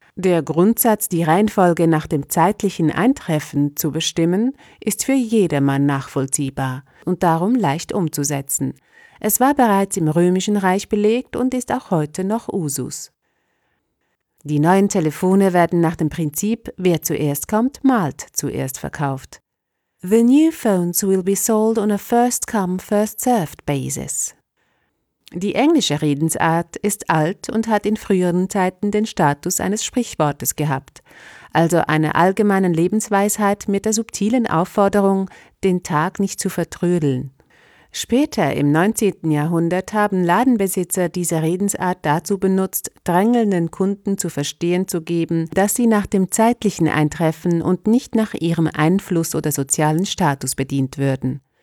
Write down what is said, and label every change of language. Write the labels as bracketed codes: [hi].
[de] Der Grundsatz, die Reihenfolge nach dem zeitlichen Eintreffen zu bestimmen, ist für jedermann nachvollziehbar und darum leicht umzusetzen. Es war bereits im Römischen Reich belegt und ist auch heute noch Usus. Die neuen Telefone werden nach dem Prinzip, wer zuerst kommt, malt zuerst verkauft. [en] The new phones will be sold on a first-come, first-served basis. [de] Die englische Redensart ist alt und hat in früheren Zeiten den Status eines Sprichwortes gehabt, also einer allgemeinen Lebensweisheit mit der subtilen Aufforderung, den Tag nicht zu vertrödeln. Später im 19. Jahrhundert haben Ladenbesitzer diese Redensart dazu benutzt, drängelnden Kunden zu verstehen zu geben, dass sie nach dem zeitlichen Eintreffen und nicht nach ihrem Einfluss oder sozialen Status bedient würden.